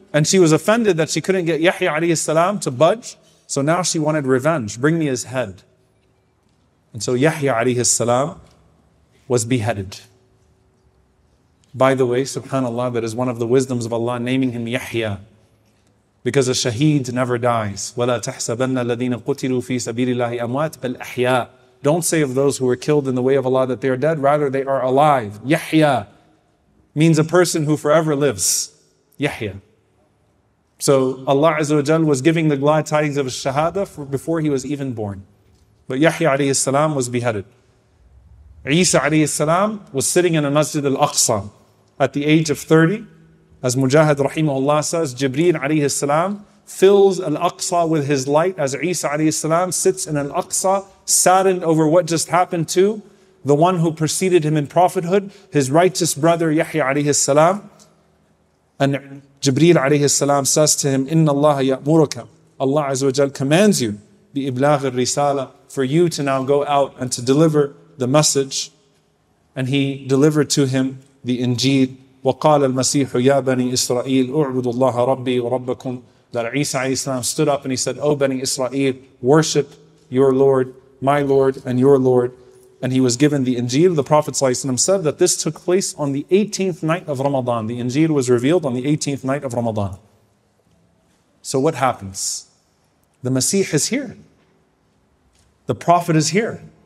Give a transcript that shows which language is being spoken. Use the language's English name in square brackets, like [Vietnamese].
[English] And she was offended that she couldn't get Yahya alayhi salam to budge. So now she wanted revenge. Bring me his head. And so Yahya alayhi salam was beheaded. By the way, subhanAllah, that is one of the wisdoms of Allah naming him Yahya. Because a shaheed never dies. [Arabic] وَلَا تَحْسَبَنَّ الَّذِينَ قُتِلُوا فِي سَبِيلِ اللَّهِ أَمْوَاتِ بَلْ أَحْيَاءِ. [English] don't say of those who were killed in the way of Allah that they are dead, rather they are alive. Yahya means a person who forever lives. Yahya. So Allah Azza wa Jal was giving the glad tidings of his shahada before he was even born. But Yahya alayhi salam was beheaded. Isa alayhi salam was sitting in a Masjid al-Aqsa at the age of 30. As Mujahid rahimahullah says, Jibreel alayhi salam fills al-Aqsa with his light as Isa alayhi salam sits in al-Aqsa, saddened over what just happened to the one who preceded him in prophethood, his righteous brother Yahya alayhi salam. And Jibreel alayhi salam says to him, [Arabic] Inna Allah ya'muruka, [English] Allah Azza wa Jal commands you, [Arabic] bi iblagh al-risala, [English] for you to now go out and to deliver the message. And he delivered to him the Injeel. [Arabic] وقال المسيح يا بني إسرائيل اعبدوا الله ربي وربكم. [English] That Isa alayhi salam stood up and he said, O Bani Israel, worship your Lord, my Lord and your Lord. And he was given the Injeel. The Prophet ﷺ said that this took place on the 18th night of Ramadan. The Injeel was revealed on the 18th night of Ramadan. So what happens? The Masih is here. The Prophet is here.